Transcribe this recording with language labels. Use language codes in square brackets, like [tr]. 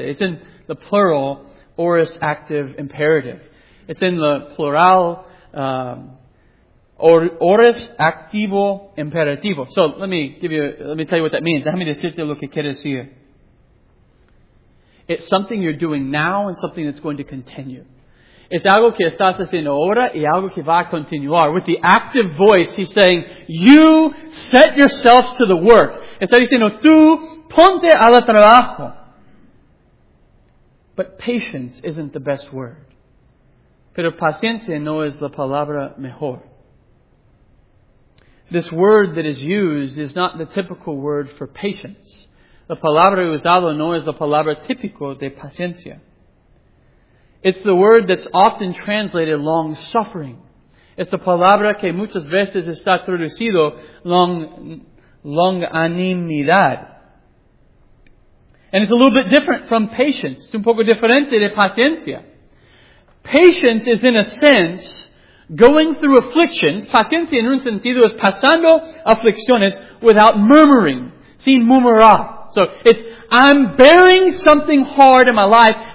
[en] It's in the plural aorist active imperative. It's in the plural aorist [es] activo imperativo. [en] So let me tell you what that means. [es] Déjame decirte lo que quiere decir. [en] It's something you're doing now and something that's going to continue. [es] Es algo que estás haciendo ahora y algo que va a continuar. [en] With the active voice, he's saying, you set yourselves to the work. [es] Está diciendo, tú ponte al trabajo. [en] But patience isn't the best word. [es] Pero paciencia no es la palabra mejor. [en] This word that is used is not the typical word for patience. [es] La palabra usada no es la palabra típico de paciencia. [en] It's the word that's often translated long suffering. [es] Es la palabra que muchas veces está traducido longanimidad. [en] And it's a little bit different from patience. [es] Es un poco diferente de paciencia. [en] Patience is, in a sense, going through afflictions. [es] Paciencia en un sentido es pasando aflicciones [en] without murmuring. [es] Sin murmurar. [en] So it's, I'm bearing something hard in my life.